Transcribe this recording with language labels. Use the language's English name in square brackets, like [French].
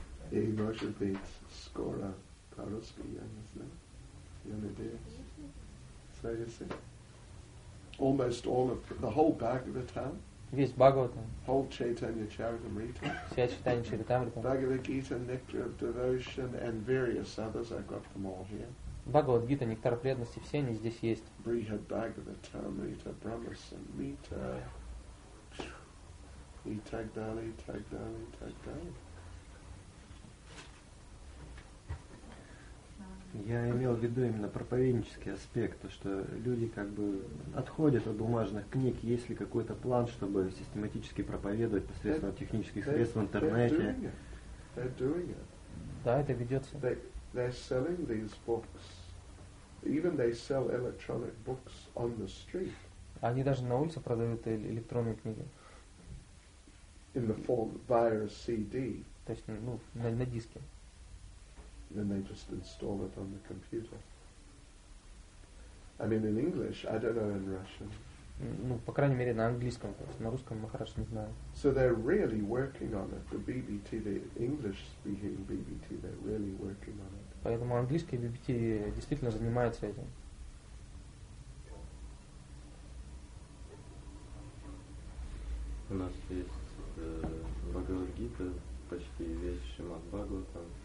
[Russian] И может быть скоро по-русски, я не знаю. Я надеюсь. [English] So almost all of the whole Bhagavatam. [Russian] Весь Бхагаватам. [English] Whole Chaitanya Charitamrita. [Russian] Вся Чайтанья Чаритамрита. [English] Bhagavad Gita, Nectar of Devotion, and various others. I've got them all here. [Russian] Бхагавад Гита, Нектар Преданности, все они здесь есть. Брихад Бхагаватамрита, Брахмасамрита. И так далее, и так далее, и так далее. Я имел в виду именно проповеднический аспект, то, что люди как бы отходят от бумажных книг, есть ли какой-то план, чтобы систематически проповедовать посредством технических средств в интернете. [English] They're doing it. [Russian] Да, это ведется. [English] They're selling these books. Even they sell electronic books on the street. [Russian] Они даже на улице продают электронные книги. [English] In the form via a CD. [Russian] То есть, ну, на диске. [English] Then they just install it on the computer. I mean, in English, I don't know in Russian. [Russian] Ну, по крайней мере, на английском, на русском мы хорошо не знаем. [English] So they're really working on it. The BBT, the English-speaking BBT, they're really working on it. [Russian] Поэтому английский BBT действительно занимается этим. У нас есть Бхагавад Гита, почти весь Шримад Бхагаватам.